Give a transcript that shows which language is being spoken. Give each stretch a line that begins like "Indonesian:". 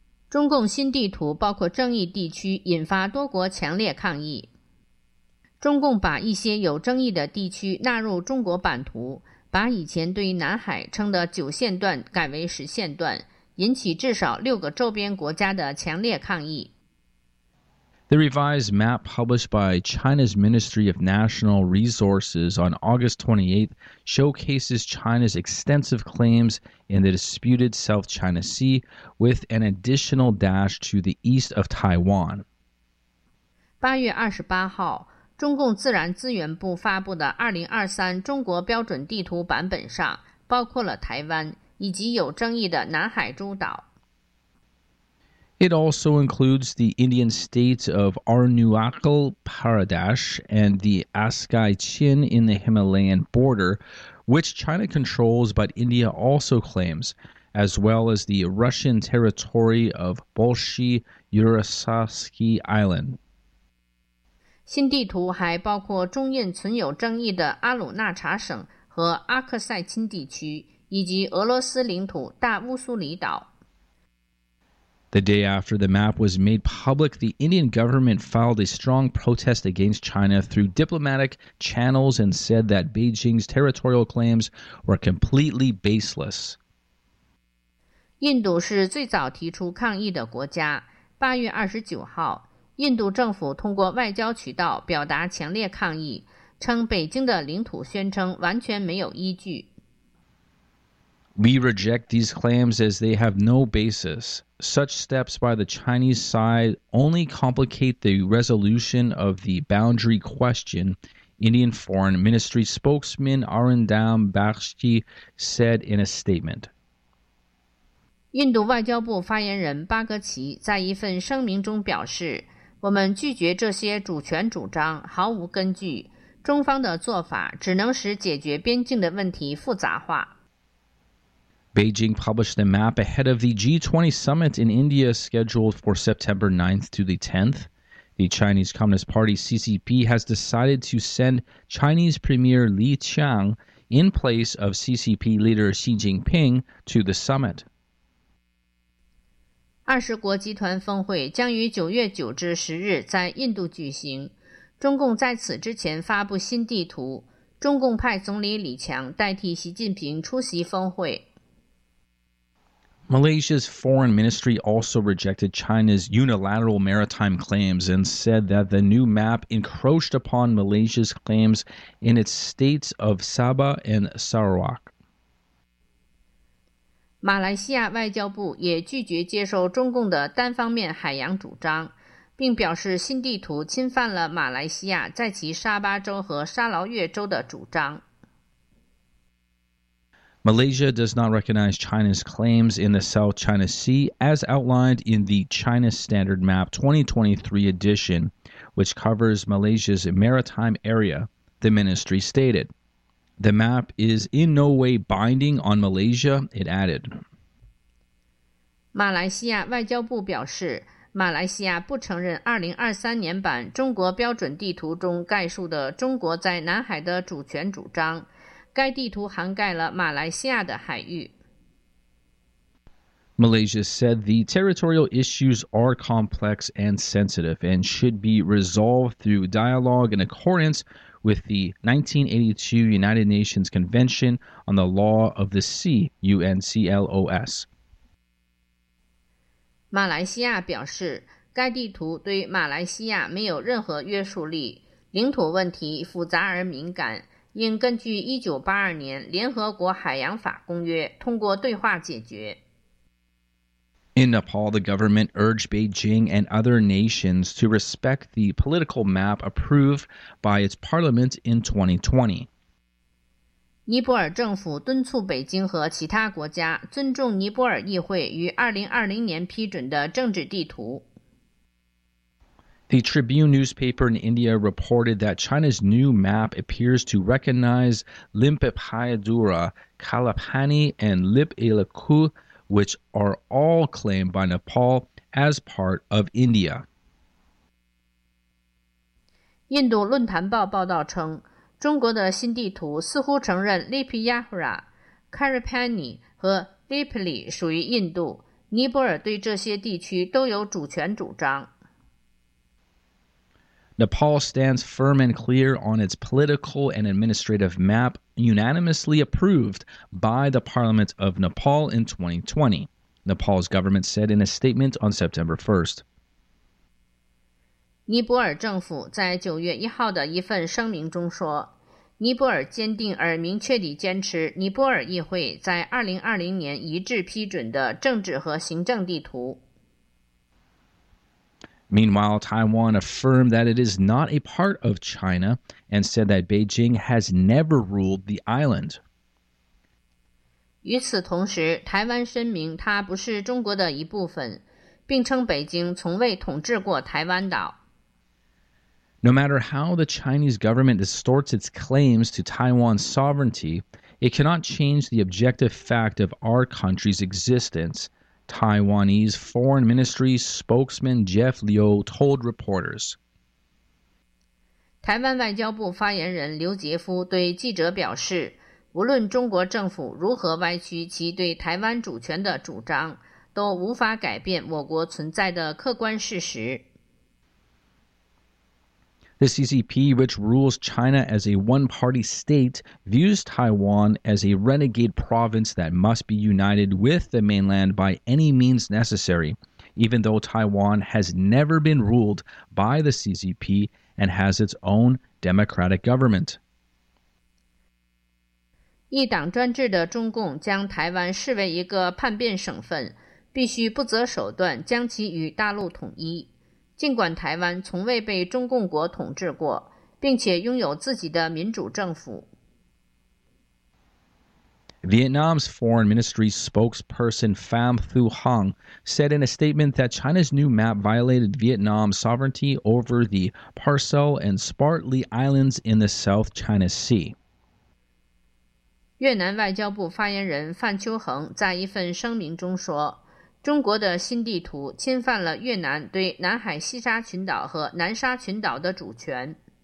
Chinese: 中共新地图包括争议地区引发多国强烈抗议。中共把一些有争议的地区纳入中国版图，把以前对于南海称的九线段改为十线段，引起至少六个周边国家的强烈抗议。
English: The revised map published by China's Ministry of National Resources on August 28th showcases China's extensive claims in the disputed South China Sea with an additional dash to the east of Taiwan.
Chinese: 8月28号，中共自然资源部发布的2023中国标准地图版本上，包括了台湾以及有争议的南海诸岛。
English: It also includes the Indian states of Arunachal Pradesh and the Askai Chin in the Himalayan border, which China controls but India also claims, as well as the Russian territory of Bolshyi-Yuryasky Island.
Chinese: 新地图还包括中印存有争议的阿鲁纳查省和阿克塞钦地区，以及俄罗斯领土大乌苏里岛。
English: The day after the map was made public, the Indian government filed a strong protest against China through diplomatic channels and said that Beijing's territorial claims were completely baseless.
Chinese: 印度是最早提出抗议的国家。8月29号，印度政府通过外交渠道表达强烈抗议，称北京的领土宣称完全没有依据。
English: We reject these claims as they have no basis. Such steps by the Chinese side only complicate the resolution of the boundary question, Indian Foreign Ministry spokesman Arindam Bakshi said in a statement.
Chinese: 印度外交部发言人巴格奇在一份声明中表示，我们拒绝这些主权主张，毫无根据。中方的做法只能使解决边境的问题复杂化。
English: Beijing published the map ahead of the G20 summit in India scheduled for September 9th to the 10th. The Chinese Communist Party CCP has decided to send Chinese Premier Li Qiang in place of CCP leader Xi Jinping to the summit.
Chinese: 二十国集团峰会将于9月9至10日在印度举行。中共在此之前发布新地图，中共派总理李强代替习近平出席峰会。
English: Malaysia's foreign ministry also rejected China's unilateral maritime claims and said that the new map encroached upon Malaysia's claims in its states of Sabah and Sarawak.
Chinese: 马来西亚外交部也拒绝接受中共的单方面海洋主张，并表示新地图侵犯了马来西亚在其沙巴州和沙劳越州的主张。
English: Malaysia does not recognize China's claims in the South China Sea as outlined in the China Standard Map 2023 edition, which covers Malaysia's maritime area, the ministry stated. The map is in no way binding on Malaysia, it added.
Chinese: 马来西亚外交部表示，马来西亚不承认2023年版中国标准地图中概述的中国在南海的主权主张。该地图涵盖了马来西亚的海域。
English: Malaysia said the territorial issues are complex and sensitive and should be resolved through dialogue in accordance with the 1982 United Nations Convention on the Law of the Sea, UNCLOS.
Chinese: 马来西亚表示，该地图对马来西亚没有任何约束力，领土问题复杂而敏感，应根据1982年联合国海洋法公约通过对话解决。
English: In Nepal, the government urged Beijing and other nations to respect the political map approved by its parliament in 2020.
Chinese: 尼泊尔政府敦促北京和其他国家尊重尼泊尔议会于2020年批准的政治地图。
English: The Tribune newspaper in India reported that China's new map appears to recognize Limpip Hayadura, Kalapani, and Lip Ilaku,which are all claimed by Nepal as part of India.
Chinese: 印度论坛报报道称，中国的新地图似乎承认 Lipiyahura、Karapani 和 Lipli 属于印度，尼泊尔对这些地区都有主权主张。
English: Nepal stands firm and clear on its political and administrative map unanimously approved by the Parliament of Nepal in 2020, Nepal's government said in a statement on September 1st.
Chinese: 尼泊尔政府在9月1号的一份声明中说，尼泊尔坚定而明确地坚持尼泊尔议会在2020年一致批准的政治和行政地图。
English: Meanwhile, Taiwan affirmed that it is not a part of China and said that Beijing has never ruled the island.
Chinese: 与此同时，台湾声明它不是中国的一部分，并称北京从未统治过台湾岛。
English: No matter how the Chinese government distorts its claims to Taiwan's sovereignty, it cannot change the objective fact of our country's existence. Taiwanese Foreign Ministry spokesman Jeff Liu told reporters.
Chinese: 台湾外交部发言人刘杰夫对记者表示，无论中国政府如何歪曲其对台湾主权的主张，都无法改变我国存在的客观事实。
English: The CCP, which rules China as a one-party state, views Taiwan as a renegade province that must be united with the mainland by any means necessary, even though Taiwan has never been ruled by the CCP and has its own democratic government.
Chinese: 一党专制的中共将台湾视为一个叛变省份，必须不择手段将其与大陆统一。尽管台湾从未被中共国统治过，并且拥有自己的民主政府。
English: Vietnam's Foreign Ministry spokesperson Pham Thu Hong said in a statement that China's new map violated Vietnam's sovereignty over the Paracel and Spratly Islands in the South China Sea.
Chinese: 越南外交部发言人范秋恒在一份声明中说，中国的新地图侵犯了越南对南海西沙群岛和南沙群岛的主权。